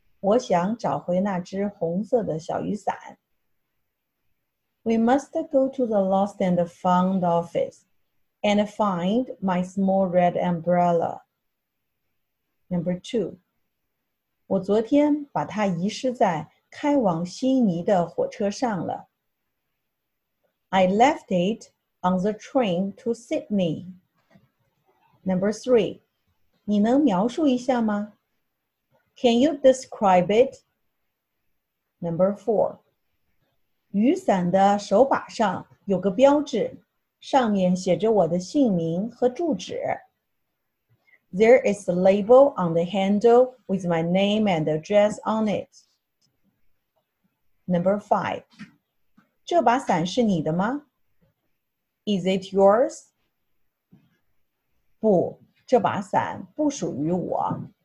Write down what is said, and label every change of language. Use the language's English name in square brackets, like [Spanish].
[Chinese] 我想找回那只红色的小雨伞。 [English] We must go to the lost and found office and find my small red umbrella. Number two, [Chinese] 我昨天把它遗失在开往悉尼的火车上了。 [English] I left it on the train to Sydney. Number three, [Chinese] 你能描述一下吗？ [English] Can you describe it? Number four. [Chinese] 雨伞的手把上有个标志，上面写着我的姓名和住址。 [English] There is a label on the handle with my name and address on it. Number five. [Chinese] 这把伞是你的吗？ [English] Is it yours? [Chinese] 不，这把伞不属于我。